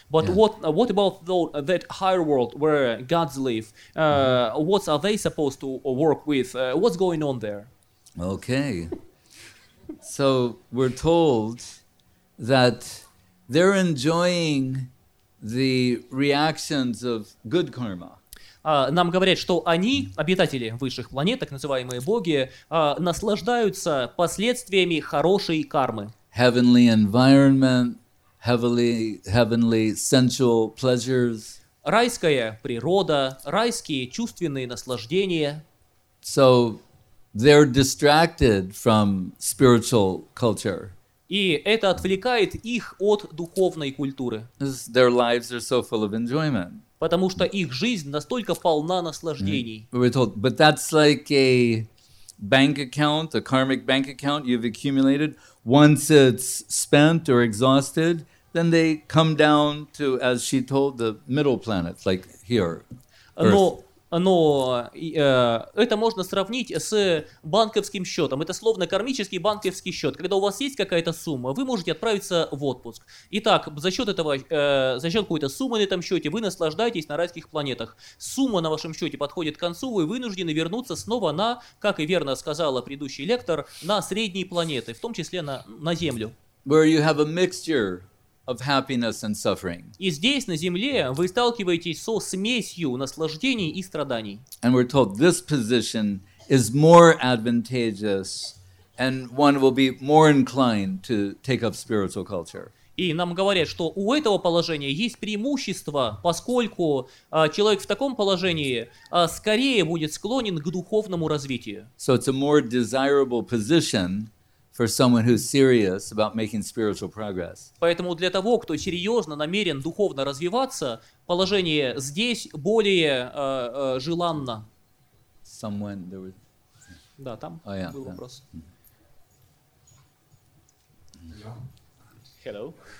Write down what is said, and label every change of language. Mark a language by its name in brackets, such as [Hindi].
[English] But what about that higher world where gods live? What are they supposed to work with? What's going on there? Okay. So we're told that they're enjoying the reactions of good karma. [Russian] Нам говорят, что они, обитатели высших планет, так называемые боги, наслаждаются последствиями хорошей кармы. [English] Heavenly environment, heavenly sensual pleasures. [Russian] Райская природа, райские чувственные наслаждения. [English] So they're distracted from spiritual culture. [Russian] И это отвлекает их от духовной культуры. [English] Their lives are so full of enjoyment. [Russian] Потому что их жизнь настолько полна наслаждений. [English] We're told, but that's like a bank account, a karmic bank account you've accumulated. Once it's spent or exhausted, then they come down to, as she told, the middle planets, like here, Earth. [Russian] Это можно сравнить с банковским счетом. Это словно кармический банковский счет. Когда у вас есть какая-то сумма, вы можете отправиться в отпуск. Итак, за счет какой-то суммы на этом счете вы наслаждаетесь на райских планетах. Сумма на вашем счете подходит к концу, вы вынуждены вернуться снова на, как и верно сказала предыдущий лектор, на средние планеты, в том числе на Землю. [English] Where you have a mixture of happiness and suffering. [Russian] И здесь, на земле, вы сталкиваетесь со смесью наслаждений и страданий. [English] And we're told this position is more advantageous and one will be more inclined to take up spiritual culture. [Russian] И нам говорят, что у этого положения есть преимущество, поскольку человек в таком положении скорее будет склонен к духовному развитию. [English] So it's a more desirable position for someone who's serious about making spiritual progress. [Russian] Поэтому для того, кто серьезно намерен духовно развиваться, положение здесь более желанно. [English] Someone there was... [Russian] Да, там был вопрос. Mm-hmm. [English] Hello.